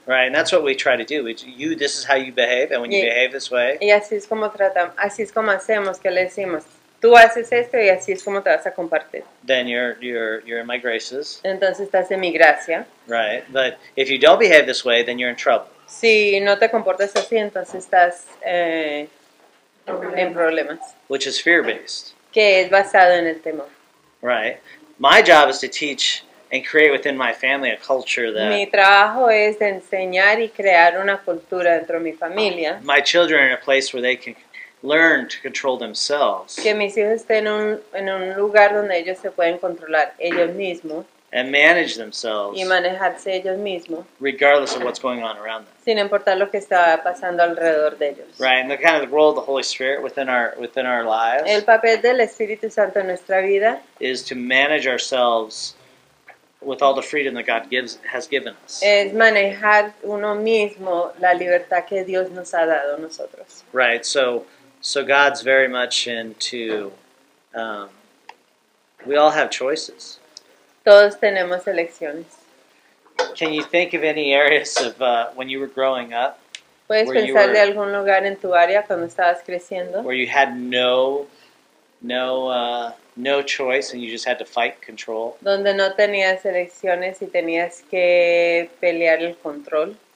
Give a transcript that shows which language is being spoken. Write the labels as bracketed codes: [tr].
[en] Right, and that's what we try to do. This is how you behave, and when you behave this way. [es] Y así es como hacemos, que le decimos, tú haces esto y así es como te vas a compartir. [en] Then you're in my graces. [es] Entonces estás en mi gracia. [en] Right, but if you don't behave this way, then you're in trouble. [es] Si no te comportas así, entonces estás en problemas. [en] Which is fear-based. [es] Que es basado en el temor. [en] Right. My job is to teach and create within my family a culture that... [es] Mi trabajo es de enseñar y crear una cultura dentro de mi familia. [en] My children are in a place where they can learn to control themselves. [es] Que mis hijos estén en un lugar donde ellos se pueden controlar ellos mismos. [en] And manage themselves. [es] Y manejarse ellos mismos. [en] Regardless of what's going on around them. [es] Sin importar lo que está pasando alrededor de ellos. [en] Right, and the kind of role of the Holy Spirit within our lives. [es] El papel del Espíritu Santo en nuestra vida. [en] Is to manage ourselves with all the freedom that God has given us. [es] Es manejar uno mismo la libertad que Dios nos ha dado a nosotros. [en] Right, so God's very much into, we all have choices. [es] Todos tenemos elecciones. [en] Can you think of any areas of when you were growing up? [es] ¿Puedes pensar de algún lugar en tu área cuando estabas creciendo? [en] Where you had no choice and you just had to fight control. [es] Donde no tenías elecciones y tenías que pelear el control.